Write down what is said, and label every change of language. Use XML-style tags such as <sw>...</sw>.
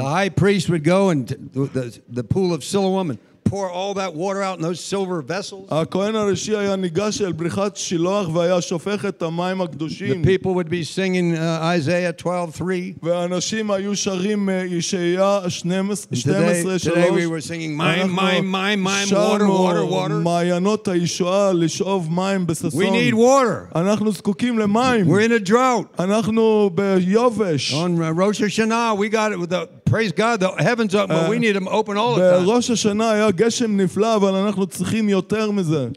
<en>The high priest would go and the pool of Siloam and... pour all that water out in those silver vessels.</en> <he>הכהן הראשי היה ניגש אל בריכת שילוח והיה שופך את המים הקדושים.</he> <en>The people would be singing Isaiah 12:3.</en> <he>ואנשים היו שרים ישעיה 12:3.</he> <en>Today we were singing water. We need water.</en> <he>אנחנו זקוקים למים.</he> <en>We're in a drought.</en> <he>אנחנו ביובש.</he> <en>On Rosh Hashanah we got it with the praise God, the heavens open, but we need them open all the time.</en> <he>בראש השנה היה גשם נפלא, אבל אנחנו צריכים יותר מזה.</he>